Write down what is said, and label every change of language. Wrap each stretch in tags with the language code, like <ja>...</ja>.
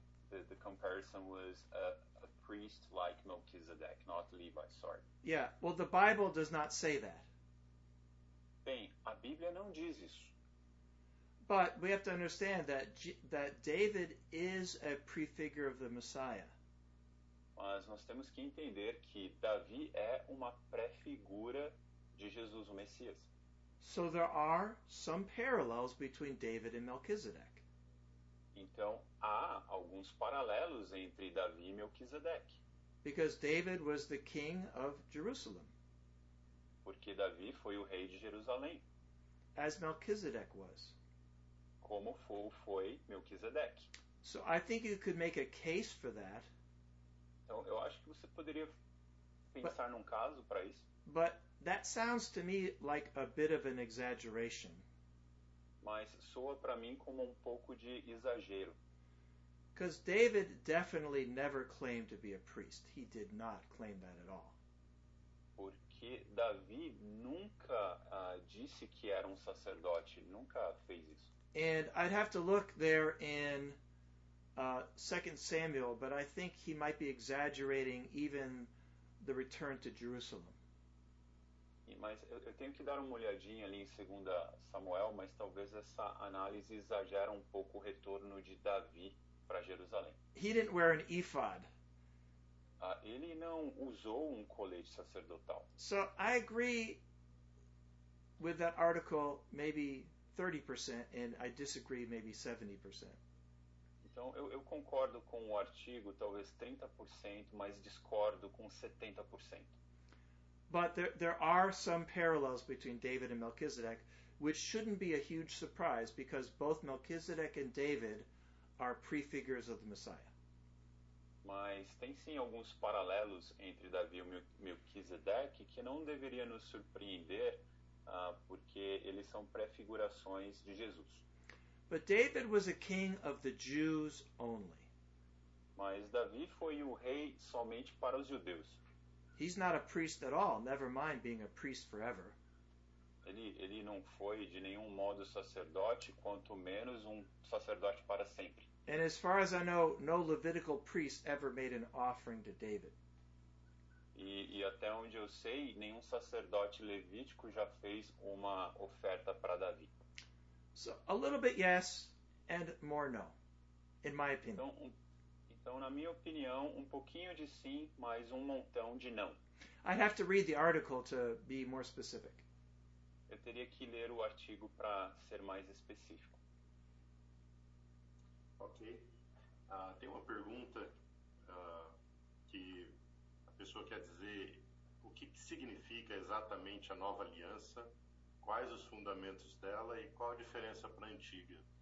<en>The comparison was a priest like Melquisedeque, not Levi, sorry. Yeah, well, the Bible does not say that.</en> <pt>Bem, a Bíblia não diz isso.</pt> <en>But we have to understand that David is a prefigure of the Messiah.</en> <pt>Mas nós temos que entender que Davi é uma pré-figura de Jesus, o Messias.</pt> <en>So there are some parallels between David and Melchizedek.</en> <pt>Então há alguns paralelos entre Davi e Melquisedeque.</pt> <en>Because David was the king of Jerusalem.</en> <pt>Porque Davi foi o rei de Jerusalém.</pt> <en>As Melchizedek was.</en> <pt>Como foi Melquisedeque.</pt> <en>So I think you could make a case for that.</en> <pt>Então, eu acho que você poderia pensar num caso para isso.</pt> <en>But that sounds to me like a bit of an exaggeration.</en> <pt>Mas soa para mim como um pouco de exagero.</pt> <en>Because David definitely never claimed to be a priest. He did not claim that at all.</en> <pt>Porque Davi nunca disse que era um sacerdote. Nunca fez isso.</pt> <en>And I'd have to look there in 2 Samuel, but I think he might be exaggerating even the return to Jerusalem.</en> <pt>Mas eu tenho que dar uma olhadinha ali em 2 Samuel, mas talvez essa análise exagera um pouco o retorno de Davi para Jerusalém.</pt> <en>He didn't wear an ephod.</en> <pt>Ele não usou um colete sacerdotal.</pt> <en>So I agree with that article, maybe 30%, and I disagree maybe 70%.</en> <pt>Então eu concordo com o artigo, talvez 30%, mas discordo com 70%.</pt> <en>But there are some parallels between David and Melchizedek, which shouldn't be a huge surprise because both Melchizedek and David are prefigures of the Messiah.</en> <pt>Mas tem sim alguns paralelos entre Davi e Melquizedek que não deveria nos surpreender. Porque eles são pré-figurações de Jesus.</pt> <en>But David was a king of the Jews only.</en> <pt>Mas Davi foi o rei somente para os judeus.</pt> <en>He's not a priest at all, never mind being a priest forever.</en> <pt>Ele não foi de nenhum modo sacerdote, quanto menos um sacerdote para sempre.</pt> <en>And as far as I know, no Levitical priest ever made an offering to David.</en> <pt>E até onde eu sei, nenhum sacerdote levítico já fez uma oferta para Davi.</pt> <en>So, a little bit yes, and more no. in my opinion.</en> <pt>Então, na minha opinião, pouquinho de sim, mas montão de não.</pt> <en>I'd have to read the article to be more specific.</en> <pt>Eu teria que ler o artigo para ser mais específico.</pt> <en>Ok.</en> <pt>Tem uma pergunta que a pessoa quer dizer o que significa exatamente a nova aliança, quais os fundamentos dela e qual a diferença para a antiga.</pt>